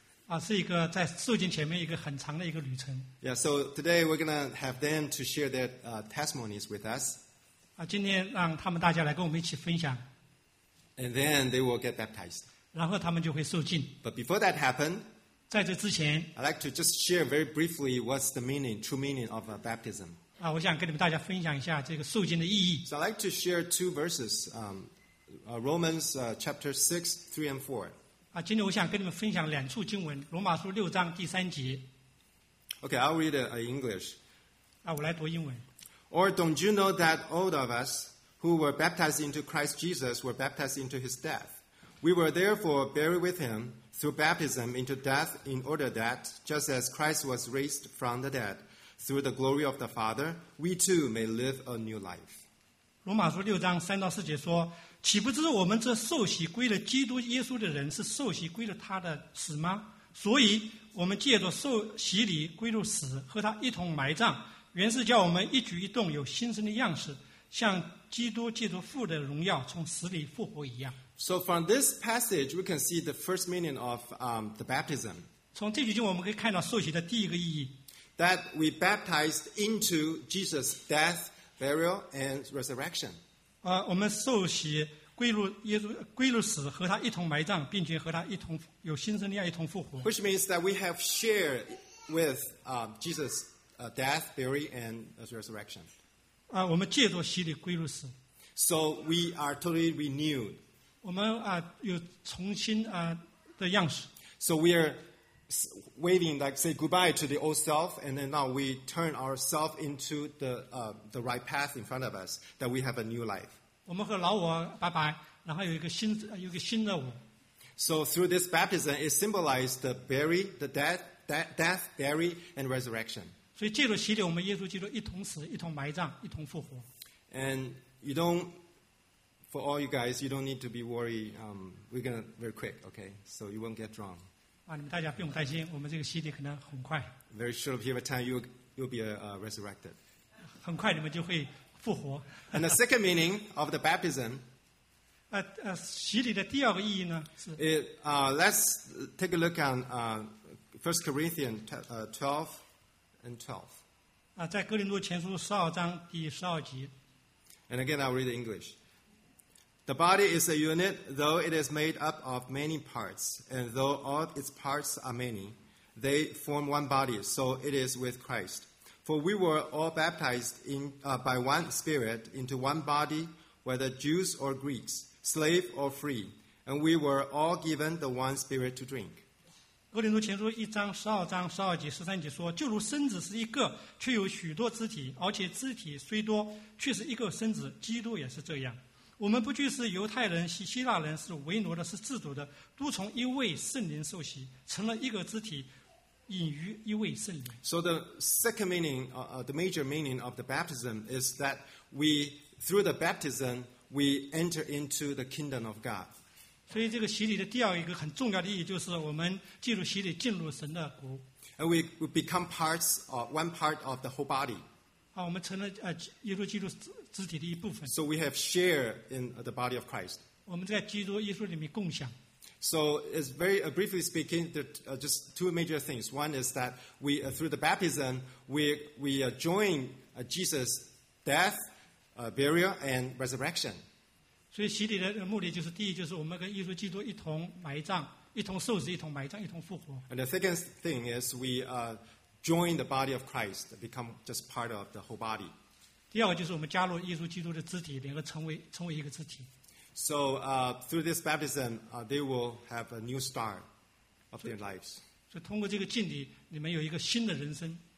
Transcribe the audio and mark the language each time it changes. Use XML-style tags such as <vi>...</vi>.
<zh>啊，是一个在受浸前面一个很长的一个旅程。</zh> <en>Yeah, so today we're gonna have them to share their testimonies with us.</en> <zh>啊，今天让他们大家来跟我们一起分享。</zh> <en>And then they will get baptized.</en> <zh>然后他们就会受浸。</zh> <en>But before that happen,</en> <zh>在这之前</zh> <en>，I'd like to just share very briefly what's the meaning, true meaning of a baptism.</en> <zh>啊，我想跟你们大家分享一下这个受浸的意义。</zh> <en>So I'd like to share two verses, Romans chapter 6, 3 and 4.</en> <zh>今天我想跟你们分享两处经文，罗马书六章第三节。</zh> <en>Okay, I'll read it in English.</en> <zh>我来读英文。</zh> <en>Or don't you know that all of us who were baptized into Christ Jesus were baptized into his death? We were therefore buried with him through baptism into death in order that, just as Christ was raised from the dead through the glory of the Father, we too may live a new life.</en> <zh>罗马书六章三到四节说，岂不知我们这受洗归了基督耶稣的人是受洗归了他的死吗？所以我们借着受洗礼归入死，和他一同埋葬，原是叫我们一举一动有新生的样式，像基督借着父的荣耀从死里复活一样。</zh> <en>So from this passage, we can see the first meaning of the baptism.</en> <zh>从这句经我们可以看到受洗的第一个意义。</zh> <en>That we baptized into Jesus' death, burial, and resurrection.</en> <zh>我们受洗归入耶稣，归入死，和他一同埋葬，并且和他一同有新生力量，一同复活。</zh> <en>Which means that we have shared with Jesus' death, burial, and resurrection.</en> <zh>我们借着洗礼归入死。</zh> <en>So we are totally renewed.</en> <zh>我们有重新的样式。</zh> <en>So we are waving like say goodbye to the old self, and then now we turn ourselves into the right path in front of us, that we have a new life.</en> <zh>我们和老我拜拜，然后有一个新的我。</zh> <en>So through this baptism, it symbolizes the death, burial, and resurrection.</en> <zh>所以借着洗礼，我们耶稣基督一同死，一同埋葬，一同复活。</zh> <en>And you don't, for all you guys, you don't need to be worried. We're gonna very quick, okay? So you won't get drunk.</en> <zh>啊，你们大家不用担心，我们这个洗礼可能很快。</zh> <en>Very short period of time, you'll be resurrected.</en> <zh>很快你们就会复活。</zh> <en>And the second meaning of the baptism.</en> <zh>洗礼的第二个意义呢是。</zh> <en>Let's take a look on First Corinthians 12. And 12.</en> <zh>在哥林多前书十二章第十二节。</zh> <en>And again, I'll read the English. The body is a unit, though it is made up of many parts, and though all its parts are many, they form one body, so it is with Christ. For we were all baptized by one Spirit into one body, whether Jews or Greeks, slave or free, and we were all given the one Spirit to drink.</en> <zh>哥林多前书一章十二章十二节十三节说，就如身子是一个，却有许多肢体，而且肢体虽多，却是一个身子。基督也是这样。我们不惧是犹太人，是希腊人，是为奴的，是自主的，都从一位圣灵受洗，成了一个肢体，隐于一位圣灵。</zh> <en>So the second meaning, the major meaning of the baptism is that we, through the baptism, we enter into the kingdom of God.</en> <zh>所以这个洗礼的第二一个很重要的意义就是我们进入洗礼进入神的国。</zh> <en>And we become parts of one part of the whole body.</en> <zh>我们成了耶稣基督肢体的一部分。</zh> <en>So we have share in the body of Christ.</en> <zh>我们在基督耶稣里面共享。</zh> <en>So it's very briefly speaking, just two major things. One is that we through the baptism, we join Jesus' death, burial, and resurrection.</en> <zh>所以洗礼的目的就是第一就是我们跟耶稣基督一同埋葬一同受死一同埋葬一同复活</zh> <en>And the second thing is we join the body of Christ become just part of the whole body</en> <zh>第二个就是我们加入耶稣基督的肢体两个成为一个肢体</zh> <en>So through this baptism they will have a new start of their lives</en> <zh>所以通过这个浸礼你们有一个新的人生</zh>